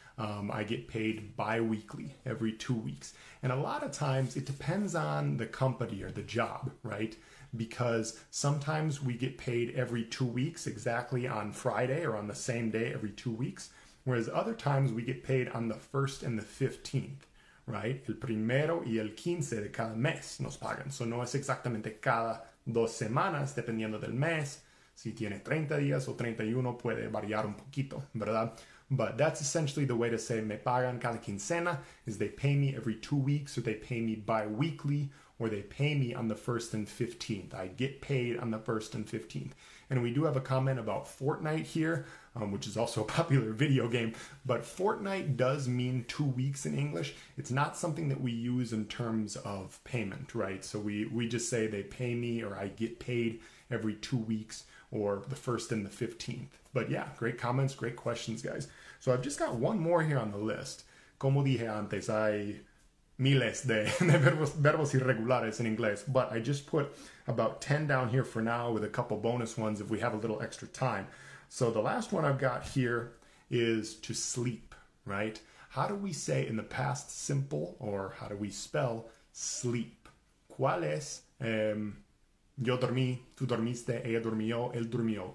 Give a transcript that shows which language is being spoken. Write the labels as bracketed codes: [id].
[en] I get paid biweekly, every 2 weeks. And a lot of times it depends on the company or the job, right? Because sometimes we get paid every 2 weeks exactly on Friday or on the same day every 2 weeks. Whereas other times we get paid on the 1st and the 15th, right? [es] El primero y el 15 de cada mes nos pagan. So no es exactamente cada dos semanas, dependiendo del mes. Si tiene 30 días o 31, puede variar un poquito, ¿verdad? [en] But that's essentially the way to say [es] me pagan cada quincena, [en] is they pay me every 2 weeks, or they pay me biweekly, or they pay me on the 1st and 15th. I get paid on the 1st and 15th. And we do have a comment about Fortnite here, which is also a popular video game. But Fortnite does mean 2 weeks in English. It's not something that we use in terms of payment, right? So we just say they pay me, or I get paid every 2 weeks, or the 1st and the 15th. But yeah, great comments, great questions, guys. So I've just got one more here on the list. [es] Como dije antes, hay miles de verbos irregulares en inglés. [en] But I just put about 10 down here for now with a couple bonus ones if we have a little extra time. So the last one I've got here is to sleep, right? How do we say in the past simple, or how do we spell sleep? [es] ¿Cuál es? Yo dormí, tú dormiste, ella durmió, él durmió.